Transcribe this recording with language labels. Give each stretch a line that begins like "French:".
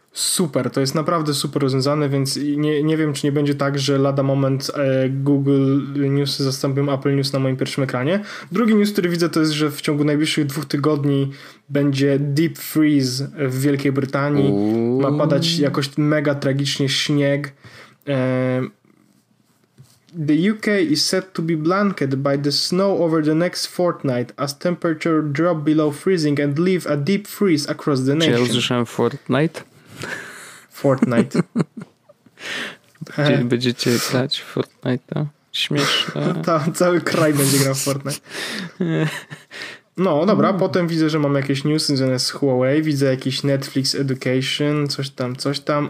Polish: Super, to jest naprawdę super rozwiązane, więc nie wiem, czy nie będzie tak, że lada moment Google News zastąpią Apple News na moim pierwszym ekranie. Drugi news, który widzę, to jest, że w ciągu najbliższych 2 tygodni będzie deep freeze w Wielkiej Brytanii. Uuu. Ma padać jakoś mega tragicznie śnieg.
English: The UK is set to be blanketed by the snow over the next fortnight as temperature drop below freezing and leave a deep freeze across the nation.
Polish: Czy ja usłyszałem fortnight? Fortnite. Będziecie grać w Fortnite'a? Śmieszne. Cały kraj będzie grał w Fortnite. No dobra, potem widzę, że mam jakieś newsy związane z Huawei, widzę jakiś Netflix Education, coś tam.